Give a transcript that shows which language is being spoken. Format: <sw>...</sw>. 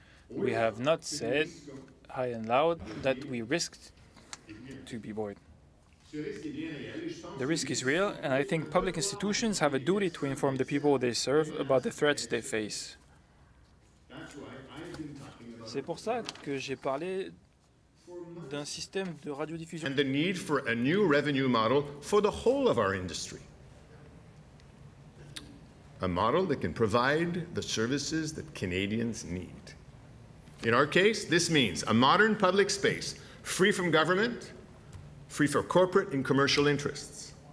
<en>We have not said high and loud that we risked to be bored. The risk is real, and I think public institutions have a duty to inform the people they serve about the threats they face.</en> <fr>C'est pour ça que j'ai parlé d'un système de radiodiffusion.</fr> <en>And the need for a new revenue model for the whole of our industry. A model that can provide the services that Canadians need. In our case, this means a modern public space, free from government, free from corporate and commercial interests.</en>